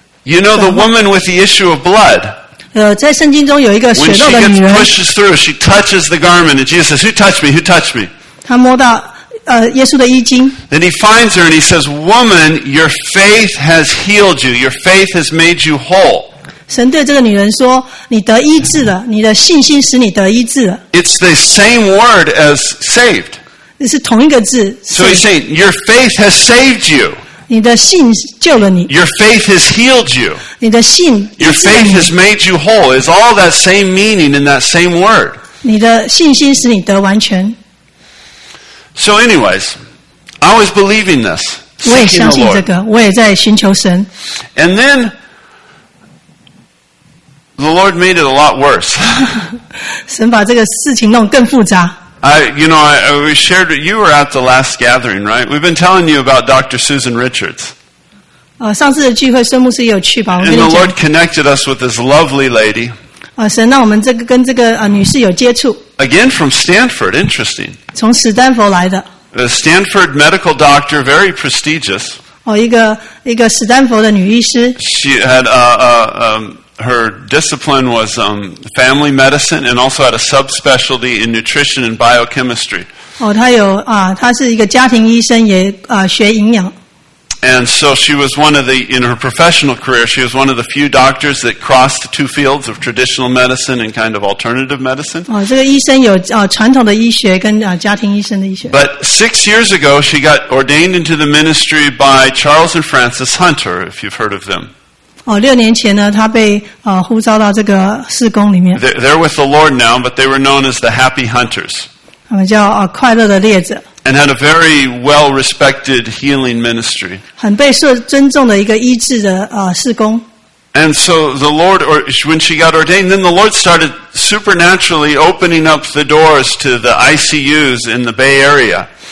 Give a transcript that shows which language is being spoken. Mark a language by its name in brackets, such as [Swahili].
[English] you know the woman with the issue of blood. When she gets pushed through, she touches the garment, and Jesus says, who touched me? Who touched me? [Chinese] 她摸到耶稣的衣襟, [English] then he finds her and he says, woman, your faith has healed you. Your faith has made you whole. [Chinese] 神对这个女人说, 你得医治了, [English] it's the same word as saved. [Chinese] 是同一个字, [English] so he's saying, your faith has saved you. Your faith has healed you. Your faith has made you whole. It's all that same meaning in that same word. So anyways, I was believing this, seeking the Lord. And then, the Lord made it a lot worse. [Chinese] 神把这个事情弄更复杂。 [English] We shared, you were at the last gathering, right? We've been telling you about Dr. Susan Richards. [Chinese] 上次的聚会孙牧师也有去吧, [English] and the Lord connected us with this lovely lady. [Chinese] 神让我们跟这个女士有接触。 [English] Again from Stanford, interesting. [Chinese] 从史丹佛来的。 [English] A Stanford medical doctor, very prestigious. [Chinese] 一个史丹佛的女医师。 [English] She had her discipline was family medicine and also had a subspecialty in nutrition and biochemistry. [Chinese] 她是一个家庭医生,也学营养。 [English] And so she was one of the, in her professional career, she was one of the few doctors that crossed the two fields of traditional medicine and kind of alternative medicine. [Chinese] 这个医生有传统的医学跟家庭医生的医学。 [English] But 6 years ago, she got ordained into the ministry by Charles and Frances Hunter, if you've heard of them. [Chinese] 六年前呢,她被呼召到这个事工里面。 [English] They're with the Lord now, but they were known as the Happy Hunters. [Chinese] 他们叫快乐的猎者。 [English] And had a very well-respected healing ministry. [Chinese] 很被受尊重的一个医治的事工。 [English] And so the Lord, or when she got ordained, then the Lord started supernaturally opening up the doors to the ICUs in the Bay Area.